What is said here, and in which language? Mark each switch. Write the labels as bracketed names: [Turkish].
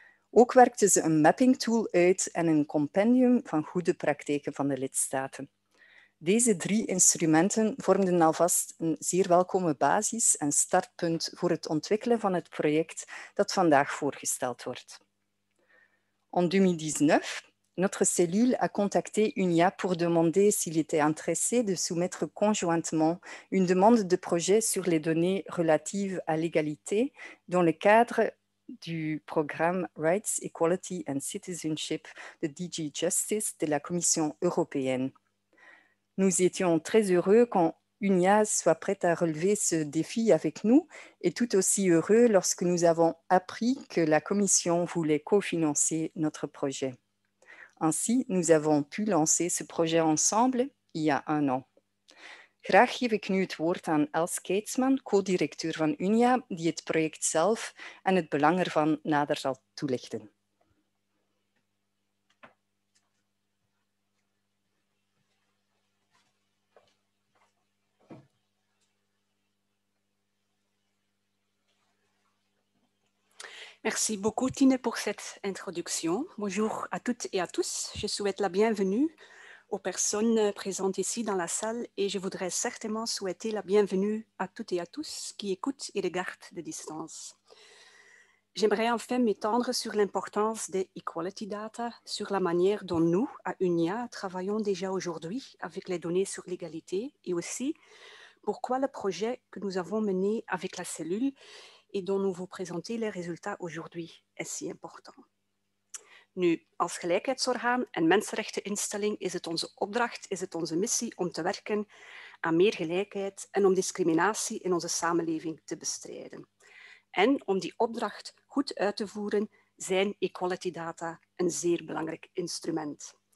[Dutch] Ook werkte ze een mapping tool uit en een compendium van goede praktijken van de lidstaten. Deze drie instrumenten vormden alvast een zeer welkome basis en startpunt voor het ontwikkelen van het project dat vandaag voorgesteld wordt. [French] En 2019 notre cellule a contacté une IA pour demander s'il était intéressé de soumettre conjointement une demande de projet sur les données relatives à l'égalité dans le cadre du programme Rights, Equality and Citizenship de DG Justice de la Commission européenne. Nous étions très heureux quand une IA soit prête à relever ce défi avec nous et tout aussi heureux lorsque nous avons appris que la Commission voulait cofinancer notre projet. Ainsi, nous avons pu lancer ce projet ensemble il y a un an. [Dutch] Graag geef ik nu het woord aan Els Keetsman, co-directeur van UNIA, die het project zelf en het belang ervan nader zal toelichten. [French] Merci beaucoup, Tine, pour cette introduction. Bonjour à toutes et à tous. Je souhaite la bienvenue aux personnes présentes ici dans la salle et je voudrais certainement souhaiter la bienvenue à toutes et à tous qui écoutent et regardent de distance. J'aimerais enfin m'étendre sur l'importance des Equality Data, sur la manière dont nous, à UNIA, travaillons déjà aujourd'hui avec les données sur l'égalité et aussi pourquoi le projet que nous avons mené avec la cellule et dont nous vous présentons les résultats aujourd'hui est si important. [Dutch] Nu, als gelijkheidsorgaan en mensenrechteninstelling is het onze opdracht, is het onze missie om te werken aan meer gelijkheid en om discriminatie in onze samenleving te bestrijden. En om die opdracht goed uit te voeren, zijn equality data een zeer belangrijk instrument.